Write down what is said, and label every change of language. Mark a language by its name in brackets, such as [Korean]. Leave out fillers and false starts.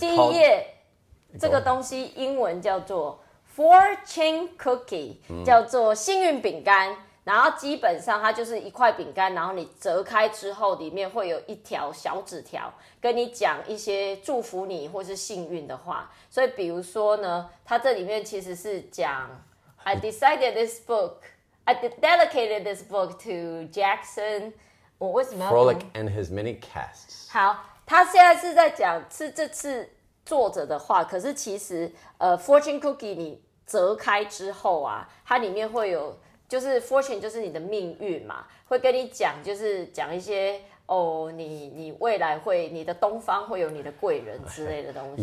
[Chinese] 第一页，这个东西英文叫做 fortune cookie，叫做幸运饼干。然后基本上它就是一块饼干，然后你折开之后，里面会有一条小纸条，跟你讲一些祝福你或是幸运的话。所以比如说呢，它这里面其实是讲 [English] ，I decided this book, I dedicated this book to Jackson. [Chinese] 我为什么要 [English] Frolic and his many casts. [Chinese] 好，他现在是在讲是这次作者的话，可是其实Fortune Cookie 你折开之后啊，它里面会有。就是 fortune 就是你的命运嘛，会跟你讲，就是讲一些哦，你未来会你的东方会有你的贵人之类的东西。